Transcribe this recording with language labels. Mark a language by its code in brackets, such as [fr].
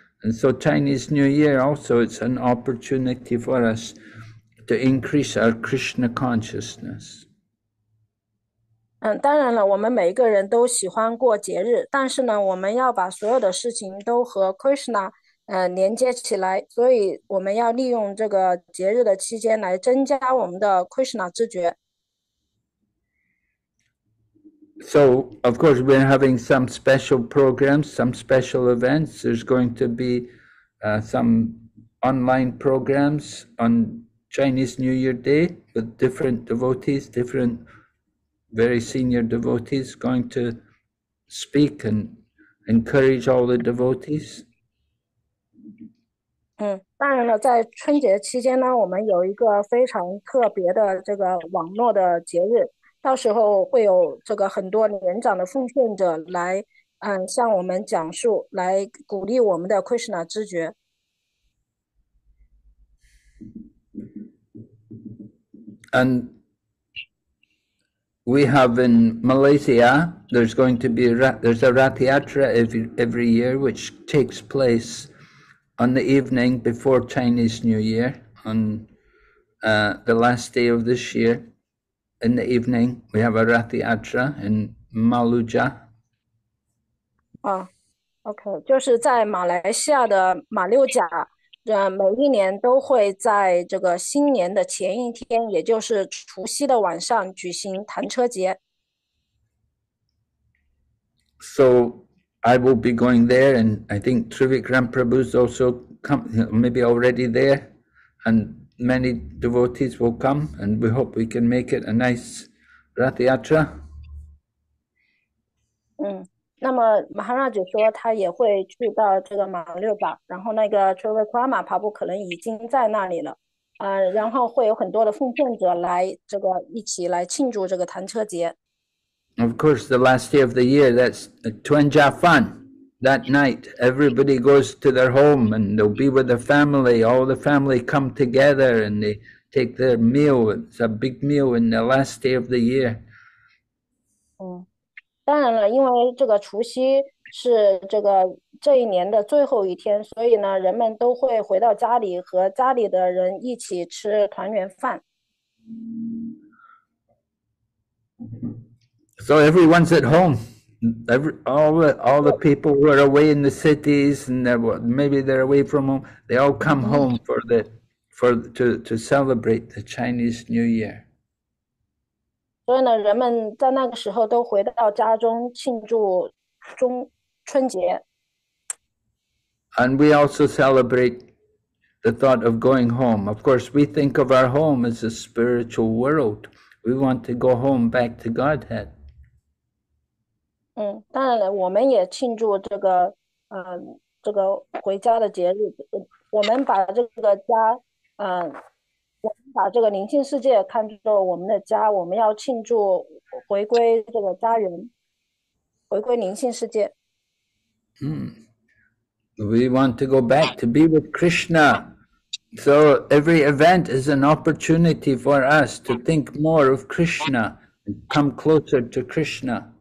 [en] And so Chinese New Year also, it's an opportunity for us to increase our Krishna consciousness. [zh] 当然了，我们每一个人都喜欢过节日，但是呢，我们要把所有的事情都和 Krishna 连接起来，所以我们要利用这个节日的期间来增加我们的 Krishna 知觉。 [en] So, of course, we're having some special programs, some special events. There's going to be some online programs on Chinese New Year Day with different devotees, different very senior devotees going to speak and encourage all the devotees. [zh] 当然了，在春节期间呢，我们有一个非常特别的这个网络的节日，到时候会有这个很多年长的奉献者来，向我们讲述，来鼓励我们的 Krishna 知觉。 [en] And we have in Malaysia, there's a Ratiyatra every year, which takes place on the evening before Chinese New Year, on the last day of this year. In the evening, we have a Ratiyatra in Maluja. [zh] OK，就是在马来西亚的马六甲，每一年都会在这个新年的前一天，也就是除夕的晚上举行弹车节。 [en] So I will be going there, and I think Trivikram Prabhu is also come, maybe already there, and many devotees will come, and we hope we can make it a nice Rath Yatra. [zh] 那么马哈拉就说他也会去到这个马六甲，然后那个 Trivikrama Prabhu 可能已经在那里了，然后会有很多的奉献者来这个一起来庆祝这个弹车节。 [en] Of course, the last day of the year, that's Tuanja Fun. That night, everybody goes to their home and they'll be with their family. All the family come together and they take their meal. It's a big meal in the last day of the year. [zh] 当然了，因为这个除夕是这一年的最后一天，所以呢，人们都会回到家里和家里的人一起吃团圆饭。 [en] So everyone's at home. All the people who are away in the cities, and maybe they're away from home. They all come home to celebrate the Chinese New Year. [zh] 所以呢，人们在那个时候都回到家中庆祝春节。 [en] And we also celebrate the thought of going home. Of course, we think of our home as a spiritual world. We want to go home back to Godhead. [zh] 当然了，我们也庆祝这个回家的节日。我们把这个家，我们把这个灵性世界看作我们的家，我们要庆祝回归这个家园，回归灵性世界。 [en] We want to go back to be with Krishna. So every event is an opportunity for us to think more of Krishna and come closer to Krishna.